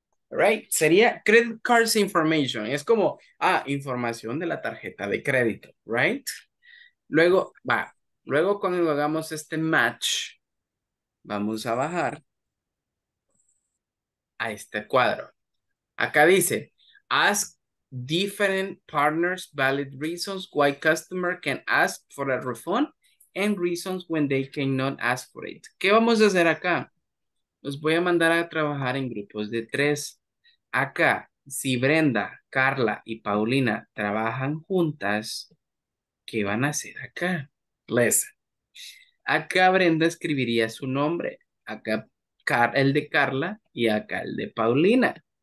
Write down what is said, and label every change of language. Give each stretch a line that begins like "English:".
English: Right,
Spanish: sería
English: credit cards information.
Spanish: Es como, ah, información de la tarjeta de crédito,
English: right?
Spanish: Luego, va, luego cuando hagamos este match, vamos a bajar a este cuadro. Acá dice,
English: ask different partners valid reasons why customer can ask for a refund and reasons when they cannot ask for it.
Spanish: ¿Qué vamos a hacer acá? Los voy a mandar a trabajar en grupos de tres. Acá, si Brenda, Carla y Paulina trabajan juntas, ¿qué van a hacer acá?
English: Listen.
Spanish: Acá Brenda escribiría su nombre. Acá el de Carla y acá el de Paulina.